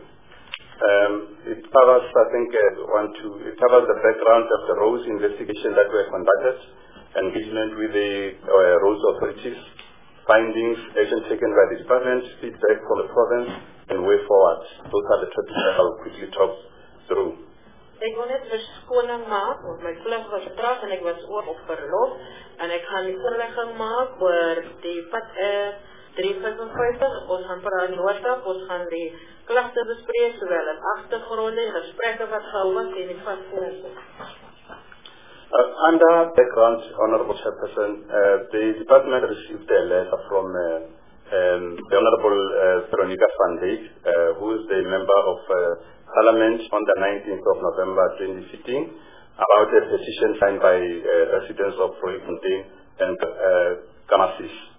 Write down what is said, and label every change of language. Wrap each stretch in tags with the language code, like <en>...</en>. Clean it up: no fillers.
<en>It covers, I think, it covers the background of the roads investigation that were conducted, engagement with the roads authorities, findings, action taken by the department, feedback from the province, and way forward. Those are the topics that I will quickly talk through.</en> <af>Ek wil net verskoning maak, want my vlug was vertraag en ek was ook op verlof, en ek gaan die voorlegging maak oor die pad 355, ons gaan praat in Noordkap, ons gaan die klagte bespreek, sowel in agtergronde, gesprekke wat gehou is en die vastkomste.</af> <en>Under background, Honorable Chairperson, the department received a letter from the Honorable Veronica van Dijk, who is the member of Parliament on the 19th of November 2015, about a petition signed by residents of Rooifontein and Kamasis.</en>